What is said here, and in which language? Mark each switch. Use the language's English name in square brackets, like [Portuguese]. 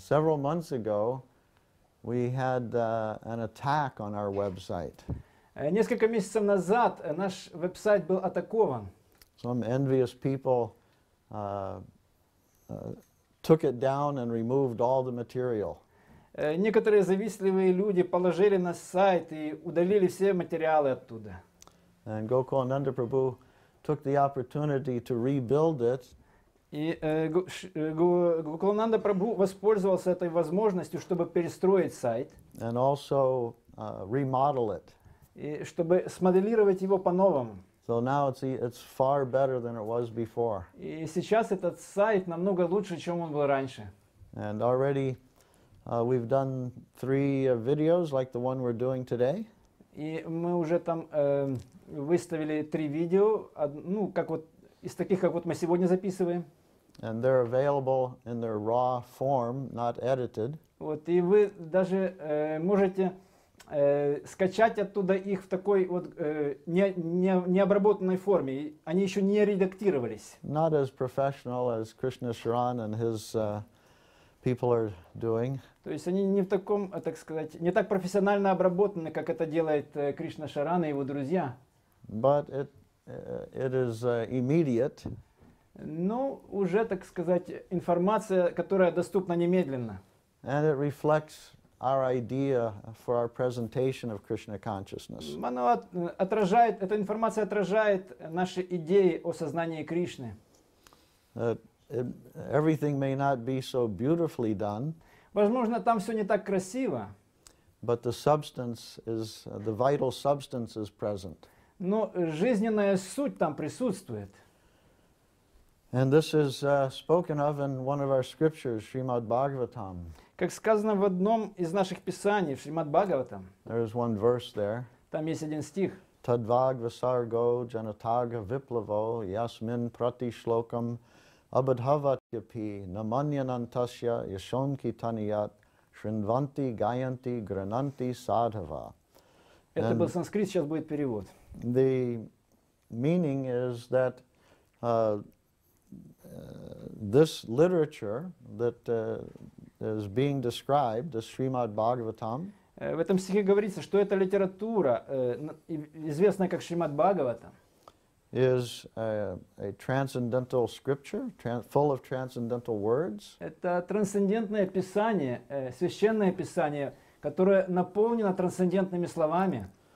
[English] Several months ago, we had an attack on our website. [Russian] Несколько месяцев назад наш веб-сайт был атакован. [English] Some envious people took it down and removed all the material. [Russian] Некоторые завистливые люди положили на сайт и удалили все материалы оттуда. [English] And Gokulananda Prabhu took the opportunity to rebuild it. [Russian] И Гокулананда Прабху воспользовался этой возможностью, чтобы перестроить сайт. [English] And also remodel it. [Russian] И чтобы смоделировать его по-новому. [English] So now it's far better than it was before. [Russian] И сейчас этот сайт намного лучше, чем он был раньше. [English] And already we've done three videos, like the one we're doing today. [Russian] И мы уже там выставили три видео, ну как вот из таких, как вот мы сегодня записываем. [English] And they're available in their raw form, not edited. [Russian] Вот и вы даже можете скачать оттуда их в такой вот необработанной форме. Они еще не редактировались. [English] Not as professional as Krishna Sharan and his people are doing. [Russian] То есть они не в таком, так сказать, не так профессионально обработаны, как это делает Кришна Шаран и его друзья. [English] But it is immediate. [Russian] Ну, уже, так сказать, информация, которая доступна немедленно. [English] And it reflects our idea for our presentation of Krishna consciousness. [Russian] Она отражает, эта информация отражает наши идеи о сознании Кришны. [English] Everything may not be so beautifully done. [Russian] Возможно, там все не так красиво. [English] But the substance is, the vital substance is present. [Russian] Но жизненная суть там присутствует. [English] And this is spoken of in one of our scriptures, Srimad Bhagavatam. [Russian] Как сказано в одном из наших писаний, в Шримад Бхагаватам. [English] There is one verse there. [Russian] Там есть один стих. [Sanskrit] Tadvag vasargo janataga viplavo yasmin prati shlokam abadhavatyapi namanyanantasya yashonkitaniyat shrinvanti gayanti grananti sadhava. [Russian] Это был санскрит, сейчас будет перевод. [English] The meaning is that this literature that is being described, the Srimad Bhagavatam. [Russian] В этом стихе говорится, что эта литература, известная как Шримад Бхагаватам, [English] is a transcendental scripture, full of transcendental words. [Russian] Это трансцендентное писание, священное писание, которое наполнено трансцендентными словами.